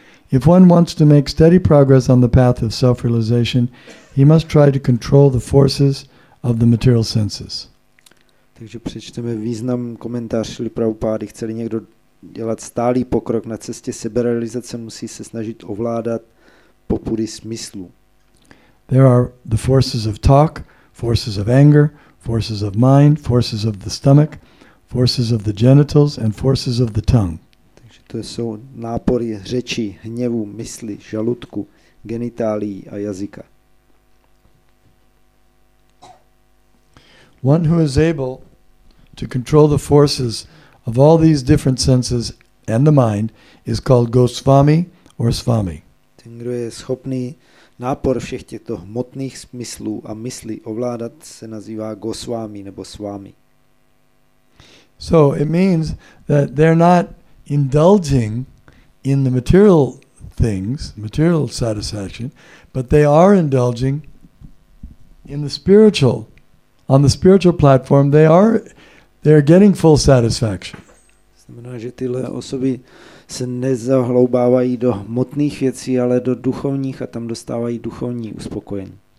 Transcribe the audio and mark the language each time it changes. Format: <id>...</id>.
<en>If one wants to make steady progress on the path of self-realization, he must try to control the forces of the material senses.</en> <cs>Takže přečteme význam komentář Srila Prabhupády. Chce-li někdo dělat stálý pokrok na cestě seberealizace, musí se snažit ovládat popudy smyslu.</cs> <en>There are the forces of talk, forces of anger, forces of mind, forces of the stomach, forces of the genitals and forces of the tongue.</en> <cs>Takže to jsou nápory řeči, hněvu, mysli, žaludku, genitálií a jazyka.</cs> <en>One who is able to control the forces of all these different senses and the mind is called Goswami or Swami.</en> <cs>Ten, kdo je schopný nápor všech těchto hmotných smyslů a mysli ovládat, se nazývá Goswami nebo Swami.</cs> <en>So it means that they're not indulging in the material things, material satisfaction, but they are indulging in the spiritual. On the spiritual platform, they're getting full satisfaction.</en> <cs>Znamená, že tyhle osoby se nezahloubávají do hmotných věcí, ale do duchovních a tam dostávají duchovní uspokojení.</cs>